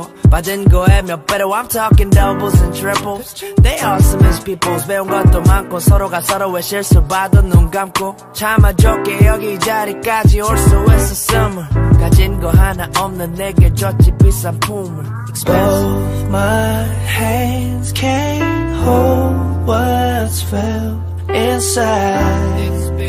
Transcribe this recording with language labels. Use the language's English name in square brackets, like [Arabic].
[Korean] 받은 거에 몇 배로 [English] I'm talking doubles and triples. They awesome as peoples. [Korean] 배운 것도 많고 서로가 서로의 실수 봐도 눈 감고 참아 좋게 여기 자리까지 올 수 있었음을 가진 거 하나 없는 내게 줬지 비싼 품을 [English] Both my hands can't hold what's felt inside.